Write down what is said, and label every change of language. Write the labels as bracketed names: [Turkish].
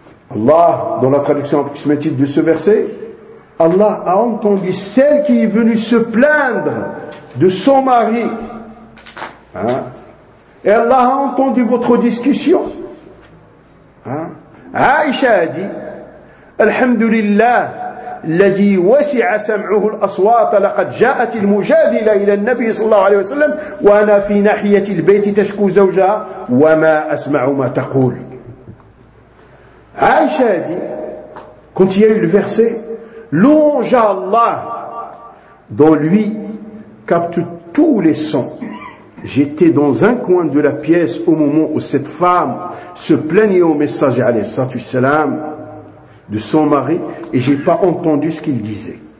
[French] Allah, dans la traduction approximative de ce verset, Allah a entendu celle qui est venue se plaindre de son mari. Et Allah a entendu votre discussion. Aïcha a dit, Alhamdulillah, [Arabic] الذي وسع سمعه الأصوات لقد جاءت المجادلة إلى النبي صلى الله عليه وسلم وأنا في ناحية البيت تشكو زوجها وما أسمع ما تقول. [French] عائشة quand il y a eu le verset, longe Allah dans lui capte tous les sons. J'étais dans un coin de la pièce au moment où cette femme se plaignait au messager [Arabic] عليه الصلاة والسلام [French] de son mari, et j'ai pas entendu ce qu'il disait.